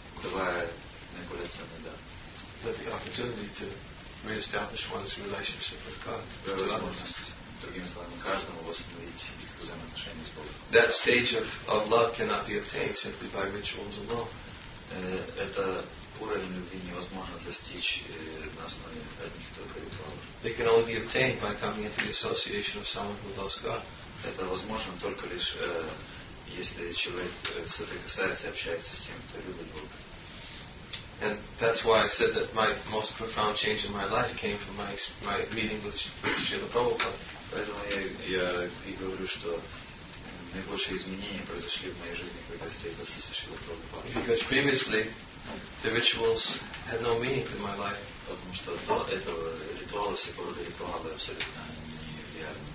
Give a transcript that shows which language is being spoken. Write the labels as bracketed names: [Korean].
[Russian] Давая наиболее ценный дар. [English] But the opportunity to reestablish one's relationship with God. [Russian] Другими словами, каждому восстановить их взаимоотношения с Богом. [English] That stage of love cannot be obtained simply by rituals alone. [Russian] Это уровень любви невозможно достичь на основе одних только ритуалов. [English] They can only be obtained by coming into the association of someone who loves God. [Russian] Это возможно только лишь если человек соприкасается и общается с тем, кто любит Бога. [English] And that's why I said that my most profound change in my life came from my meeting with Srila Prabhupada. [Russian] Поэтому я говорю, что наибольшие изменения произошли в моей жизни, когда встретился с Шрилой Прабхупадой. [English] Because previously the rituals had no meaning to my life. [Russian] Потому что до этого ритуалы, все породы ритуалы абсолютно не реальны.